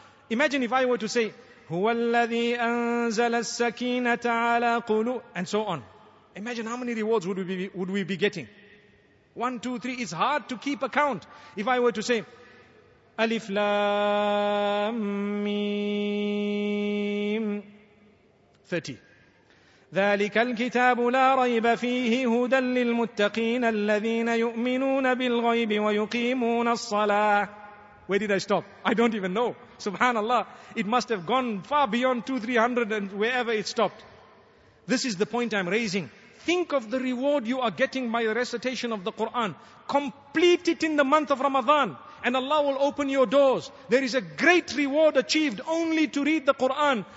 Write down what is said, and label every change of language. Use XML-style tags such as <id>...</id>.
<en>Imagine if I were to say,</en> <ar>هُوَ الَّذِي أَنزَلَ السَّكِينَةَ عَلَى قُلُوبِ</ar> <en>and so on. Imagine how many rewards would we be getting. 1, 2, 3, it's hard to keep account. If I were to say, Alif Lam Mim 30.</en> <ar>ذلك الكتاب لا ريب فيه هدى للمتقين الذين يؤمنون بالغيب ويقيمون الصلاة.</ar> <en>Where did I stop? I don't even know. Subhanallah. It must have gone far beyond 200-300 and wherever it stopped. This is the point I'm raising. Think of the reward you are getting by the recitation of the Quran. Complete it in the month of Ramadan and Allah will open your doors. There is a great reward achieved only to read the Quran.</en>